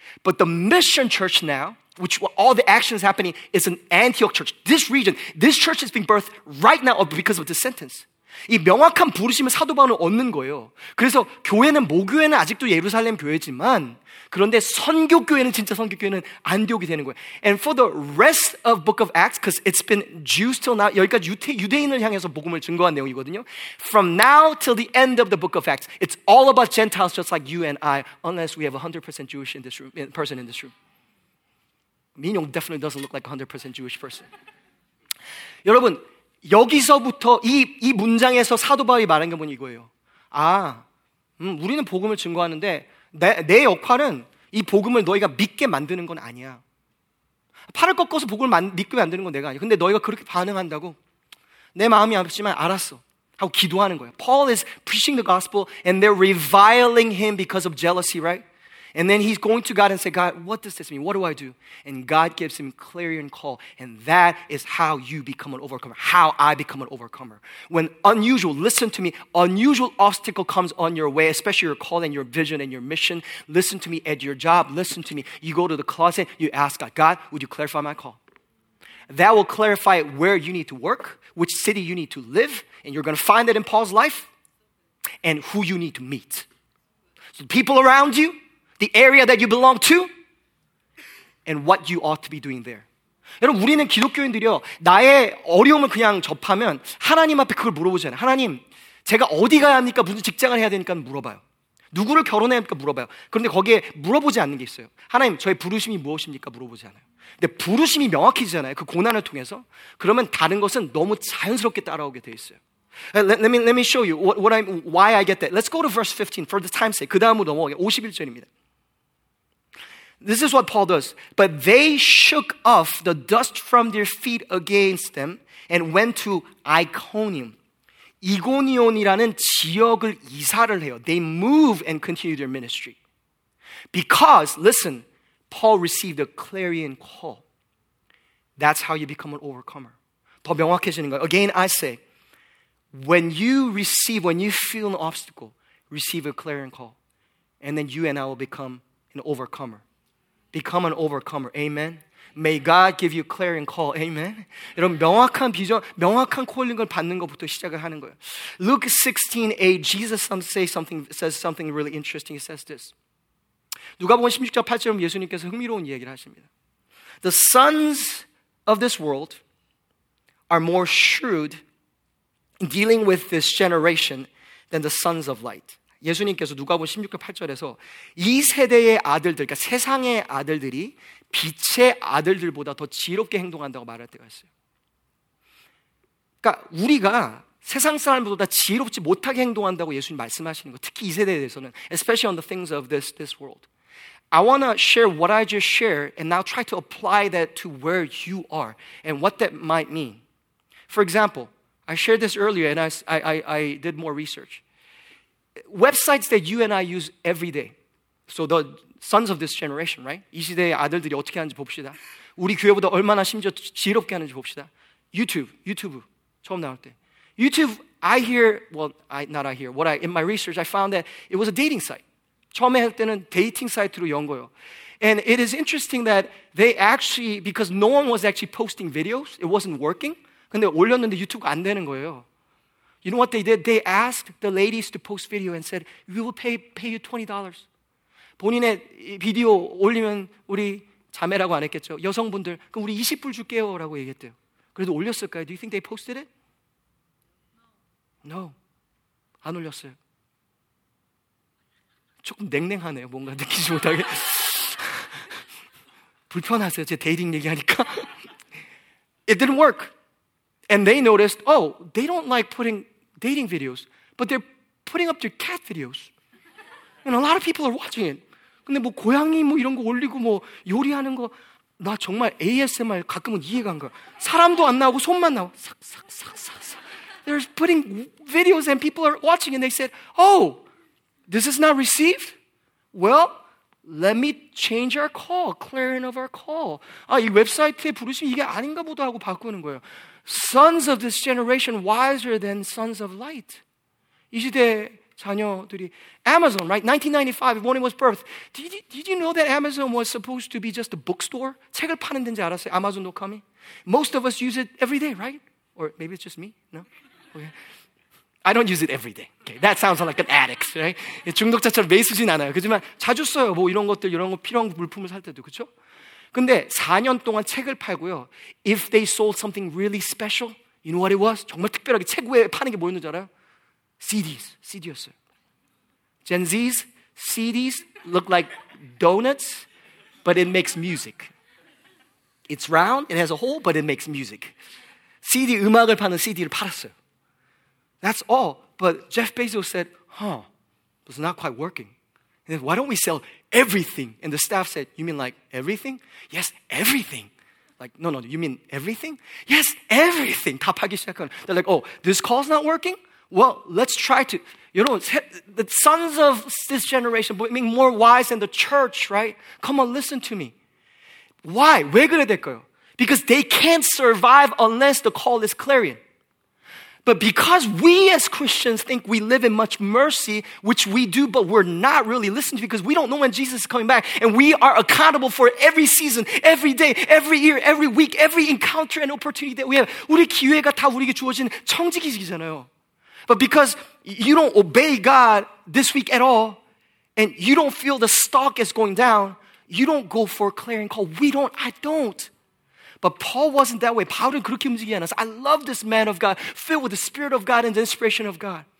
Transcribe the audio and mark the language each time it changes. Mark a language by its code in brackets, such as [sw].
[en] But the mission church now, which all the actions happening, is an Antioch church. This region, this church is being birthed right now because of this sentence. [ko] 이 명확한 부르심을 사도 바울은 얻는 거예요. 그래서 교회는 모교회는 아직도 예루살렘 교회지만 그런데 선교교회는 진짜 선교교회는 안디옥이 되는 거예요. [en] And for the rest of book of Acts, because it's been Jews till now, [ko] 여기까지 유대인을 향해서 복음을 증거한 내용이거든요. [en] From now till the end of the book of Acts, it's all about Gentiles just like you and I, unless we have 100% Jewish in this room, person in this room. Minyoung definitely doesn't look like 100% Jewish person. [ko] 여러분, 여기서부터 이 문장에서 사도 바울이 말한 게 뭐냐 이거예요. 아, 우리는 복음을 증거하는데 내 역할은 이 복음을 너희가 믿게 만드는 건 아니야. 팔을 꺾어서 복음을 믿게 만드는 건 내가 아니야. 근데 너희가 그렇게 반응한다고 내 마음이 아프지만 알았어 하고 기도하는 거예요. [en] Paul is preaching the gospel and they're reviling him because of jealousy, right? And then he's going to God and say, God, what does this mean? What do I do? And God gives him clarion call. And that is how you become an overcomer, how I become an overcomer. When unusual, listen to me, unusual obstacle comes on your way, especially your call and your vision and your mission. Listen to me at your job. Listen to me. You go to the closet, you ask God, God, would you clarify my call? That will clarify where you need to work, which city you need to live, and you're going to find that in Paul's life, and who you need to meet. So the people around you, the area that you belong to, and what you ought to be doing there. [ko] 여러분, 우리는 기독교인들이요. 나의 어려움을 그냥 접하면 하나님 앞에 그걸 물어보잖아요. 하나님, 제가 어디 가야 합니까? 무슨 직장을 해야 되니까 물어봐요. 누구를 결혼해야 합니까? 물어봐요. 그런데 거기에 물어보지 않는 게 있어요. 하나님, 저의 부르심이 무엇입니까? 물어보지 않아요. 근데 부르심이 명확해지잖아요, 그 고난을 통해서. 그러면 다른 것은 너무 자연스럽게 따라오게 돼 있어요. [en] Let me show you why I get that. Let's go to verse 15 for the time's sake. [ko] 그 다음으로 넘어가요. 51절입니다. [en] This is what Paul does. But they shook off the dust from their feet against them and went to Iconium. [ko] 이고니온이라는 지역을 이사를 해요. [en] They move and continue their ministry. Because, listen, Paul received a clarion call. That's how you become an overcomer. [ko] 더 명확해지는 거예요. [en] Again, I say, when you receive, when you feel an obstacle, receive a clarion call, and then you and I will become an overcomer. Become an overcomer. Amen. May God give you a clarion call. Amen. [ko] 여러분, 명확한 비전, 명확한 콜링을 받는 것부터 시작을 하는 거예요. [en] Luke 16:8, Jesus says something really interesting. He says this. [ko] 누가복음 16장 8절에 예수님께서 흥미로운 이야기를 하십니다. [en] The sons of this world are more shrewd in dealing with this generation than the sons of light. [ko] 예수님께서 누가복음 16장 8절에서 이 세대의 아들들, 그러니까 세상의 아들들이 빛의 아들들보다 더 지혜롭게 행동한다고 말할 때가 있어요. 그러니까 우리가 세상 사람들보다 지혜롭지 못하게 행동한다고 예수님 말씀하시는 거, 특히 이 세대에 대해서는, [en] especially on the things of this world. I want to share what I just shared and now try to apply that to where you are and what that might mean. For example, I shared this earlier and I did more research. Websites that you and I use every day. So the sons of this generation, right? [ko] 이 시대의 아들들이 어떻게 하는지 봅시다. 우리 교회보다 얼마나 심지어 지혜롭게 하는지 봅시다. [en] YouTube [ko] 처음 나올 때. [en] YouTube, in my research, I found that it was a dating site. [ko] 처음에 할 때는 데이팅 사이트로 연 거예요. [en] And it is interesting that they actually, because no one was actually posting videos, it wasn't working. [ko] 근데 올렸는데 유튜브가 안 되는 거예요. [en] You know what they did? They asked the ladies to post video and said, we will pay you $20. [ko] 본인의 비디오 올리면 우리 자매라고 안 했겠죠. 여성분들, 그럼 우리 20불 줄게요 라고 얘기했대요. 그래도 올렸을까요? [en] Do you think they posted it? No. [ko] 안 올렸어요. 조금 냉랭하네요. 뭔가 느끼지 못하게. 불편하세요. 제 데이팅 얘기하니까. [en] It didn't work. And they noticed, oh, they don't like putting dating videos, but they're putting up their cat videos. And a lot of people are watching it. [ko] 근데 뭐 고양이 뭐 이런 거 올리고 뭐 요리하는 거, 나 정말 ASMR 가끔은 이해가 안 가. 사람도 안 나오고 손만 나와. 삭, 삭, 삭, 삭, 삭. [en] They're putting videos and people are watching and they said, oh, this is not received? Well, let me change our call, clarion of our call. [ko] 아, 이 웹사이트에 부르시면 이게 아닌가 보다 하고 바꾸는 거예요. [en] Sons of this generation wiser than sons of light. [ko] 이 시대의 자녀들이, [en] Amazon, right? 1995, when it was birthed. Did you know that Amazon was supposed to be just a bookstore? [ko] 책을 파는 데인지 알았어요? [en] Amazon.com? Most of us use it every day, right? Or maybe it's just me? No? Okay. I don't use it every day. Okay. That sounds like an addict, right? [ko] 중독자처럼 매일 쓰진 않아요. 그렇지만 자주 써요. 뭐 이런 것들, 이런 거 필요한 물품을 살 때도, 그렇죠? 근데 4년 동안 책을 팔고요. [en] If they sold something really special, you know what it was? [ko] 정말 특별하게 책 외에 파는 게 뭐였는지 알아요? CDs. CD였어요. [en] Gen Z's CDs look like donuts, but it makes music. It's round, it has a hole, but it makes music. [ko] CD, 음악을 파는 CD를 팔았어요. [en] That's all. But Jeff Bezos said, huh, it's not quite working. And why don't we sell everything? And the staff said, you mean like everything? Yes, everything. Like, no, you mean everything? Yes, everything. [ko] 다 파기 시작하는. [en] They're like, oh, this call's not working? Well, let's try to, you know, the sons of this generation, but being more wise than the church, right? Come on, listen to me. Why? [ko] 왜 그래야 될까요? [en] Because they can't survive unless the call is clarion. But because we as Christians think we live in much mercy, which we do, but we're not really listening to because we don't know when Jesus is coming back. And we are accountable for every season, every day, every year, every week, every encounter and opportunity that we have. [ko] 우리 기회가 다 우리에게 주어진 청지기직이잖아요. [en] But because you don't obey God this week at all, and you don't feel the stock is going down, you don't go for a clarion call. I don't. But Paul wasn't that way. [ko] 바울은 그렇게 움직이지 않았어. [en] I love this man of God, filled with the spirit of God and the inspiration of God.